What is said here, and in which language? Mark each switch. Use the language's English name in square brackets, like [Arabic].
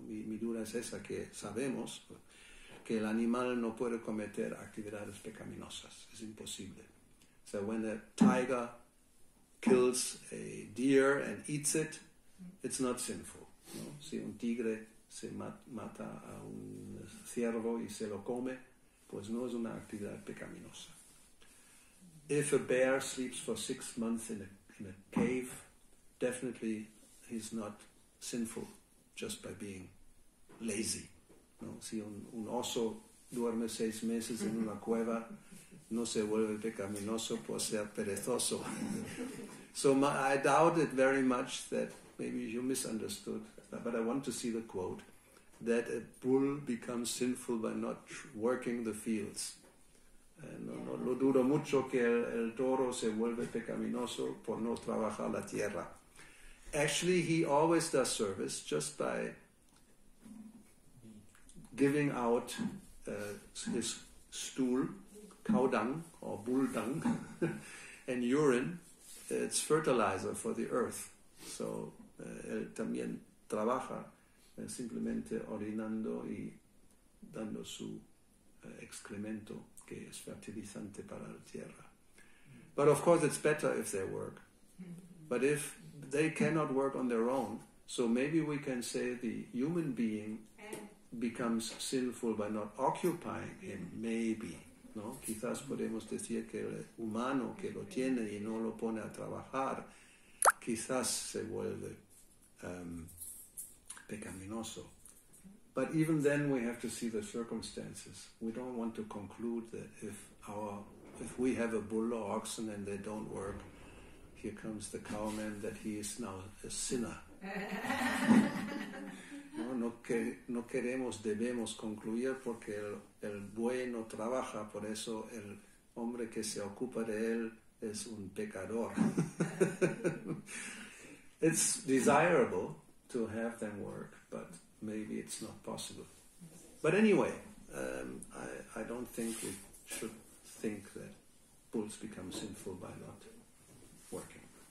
[Spanish] Mi duda es esa, que sabemos que el animal no puede cometer actividades pecaminosas. Es imposible. [English] So when a tiger kills a deer and eats it, it's not sinful. [Spanish] ¿No? Si un tigre se mata a un ciervo y se lo come, pues no es una actividad pecaminosa. [English] If a bear sleeps for 6 months in a cave, definitely he's not sinful just by being lazy. [Spanish] ¿No? Si un oso duerme 6 meses en una cueva, no se vuelve pecaminoso por ser perezoso. [English] I doubt it very much that maybe you misunderstood, but I want to see the quote, that a bull becomes sinful by not working the fields. [Spanish] No lo dudo mucho que el toro se vuelve pecaminoso por no trabajar la tierra. [English] Actually, he always does service just by giving out his stool, cow dung or bull dung, and urine. It's fertilizer for the earth. [Spanish] So, él también trabaja simplemente orinando y dando su excremento, que es fertilizante para la tierra. [English] But of course, it's better if they work. But if they cannot work on their own, so maybe we can say the human being becomes sinful by not occupying him, maybe. [Spanish] ¿No? Quizás podemos decir que el humano que lo tiene y no lo pone a trabajar, quizás se vuelve pecaminoso. [English] But even then we have to see the circumstances. We don't want to conclude that if we have a bull or oxen and they don't work, here comes the cowman, that he is now a sinner. [Spanish] No queremos, debemos concluir porque el buey no trabaja, por eso el hombre que se ocupa de él es un pecador. [English] It's desirable to have them work, but maybe it's not possible. But anyway, I don't think we should think that bulls become sinful by not working.